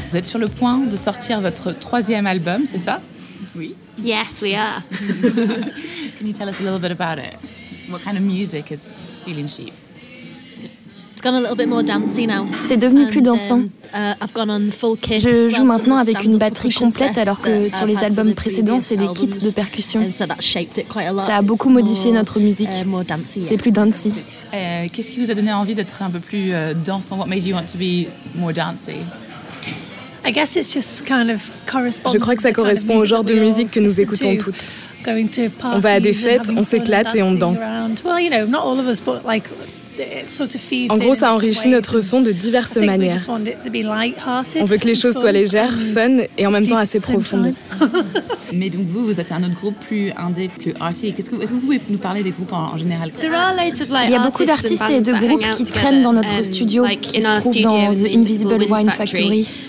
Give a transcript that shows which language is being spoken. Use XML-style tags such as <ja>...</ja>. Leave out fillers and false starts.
<fr>Vous êtes sur le point de sortir votre troisième album, c'est ça? Oui.</fr> <en>Yes, we are. Can you tell us a little bit about it? What kind of music is Stealing Sheep? It's gone a little bit more dancey now.</en> <fr>C'est devenu plus dansant.</fr> <en>I've gone on full kit.</en> <fr>Je joue maintenant avec une batterie complète alors que sur les albums précédents, c'est des kits de percussion.</fr> <en>So that shaped it quite a lot.</en> <fr>Ça a beaucoup modifié notre musique.</fr> <en>More dancey, yeah.</en> <fr>C'est plus dancey. Qu'est-ce qui vous a donné envie d'être un peu plus dansant?</fr> <en>What made you want to be more dancey? I guess it's just kind of</en> <fr>Je crois que ça correspond au genre de musique que nous écoutons toutes.</fr> <en>Going to parties,</en> <fr>on va à des fêtes, on s'éclate et on danse.</fr> <en>Well, you know, not all of us, but like, sort of feeds</en> <fr>en gros, ça enrichit notre son de diverses manières. On veut que les choses soient légères, fun et en même temps assez profondes. Mais donc vous, vous êtes un autre groupe plus indé, plus arty. Est-ce que vous pouvez nous parler des groupes en général? Il y a beaucoup d'artistes et de groupes qui traînent dans notre studio, qui se trouvent dans The Invisible Wine Factory.</fr>